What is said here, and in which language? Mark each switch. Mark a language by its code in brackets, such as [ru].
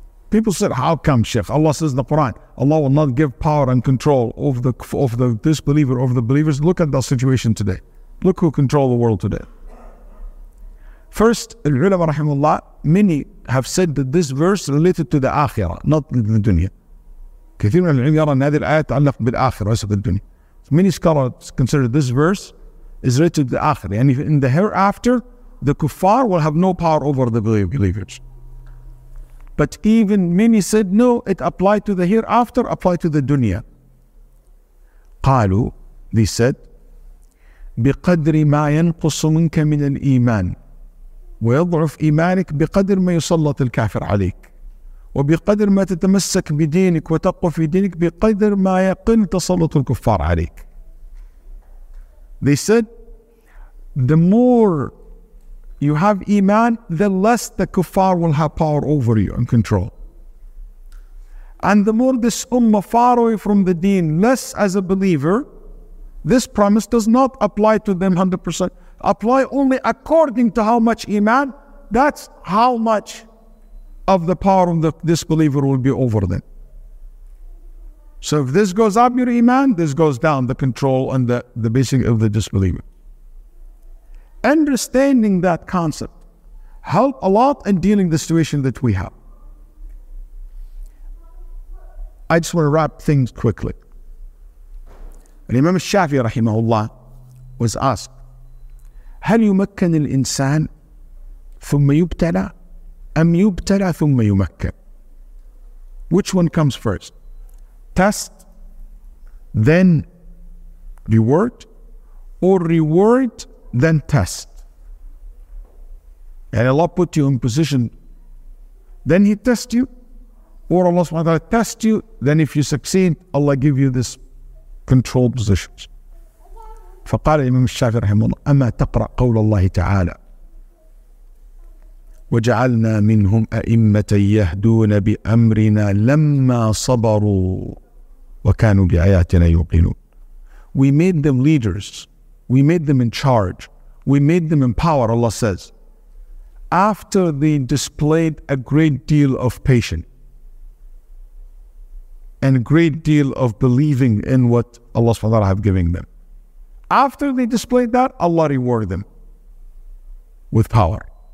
[en] People said, how come, Sheikh? Allah says in the Quran, Allah will not give power and control over the disbeliever, over the believers. Look at the situation today. Look who control the world today. First, al-ulama rahimahullah, many have said that this verse related to the akhirah, not the dunya. [ar] كثير من العلماء يرى أن هذه الآية تعلق بالآخرة وليس بالدنيا. [en] Many scholars consider this verse is related to the آخرة. [ar] يعني [en] in the hereafter, the kuffar will have no power over the believers. But even many said, no, it applied to the hereafter, applied to the dunya. [ar] قالوا, [en] they said, [ar] بقدر ما ينقص منك من الإيمان ويضعف إيمانك بقدر ما يسلط الكافر عليك. وبقدر ما تتمسك بدينك وتقف في دينك بقدر ما يقل تسلط الكفار عليك. [en] They said, the more you have iman, the less the kuffar will have power over you and control. And the more this ummah far away from the deen, less as a believer, this promise does not apply to them 100%. Apply only according to how much iman, that's how much of the power of the disbeliever will be over them. So if this goes up your iman, this goes down the control and the basic of the disbeliever. Understanding that concept help a lot in dealing with the situation that we have. I just want to wrap things quickly. Imam Shafi rahimahullah was asked, [ar] هل يمكن الإنسان ثم يبتلى أَمْ يُبْتَلَى ثُمَّ يُمَكَّنْ. [en] Which one comes first? Test, then reward, or reward, then test? And Allah put you in position, then He tests you, or Allah subhanahu wa ta'ala tests you, then if you succeed, Allah give you this controlled position. [ar] فَقَالَ الْإِمَامُ الشَّافِعِيُّ رَحِمَهُ اللَّهُ أَمَّا تَقْرَأْ قَوْلَ اللَّهِ تَعَالَى وجعلنا منهم أئمة يهدون بأمرنا لما صبروا وكانوا بآياتنا يوقنون. [en] We made them leaders. We made them in charge. We made them in power, Allah says. After they displayed a great deal of patience and a great deal of believing in what Allah subhanahu wa ta'ala have given them. After they displayed that, Allah rewarded them with power.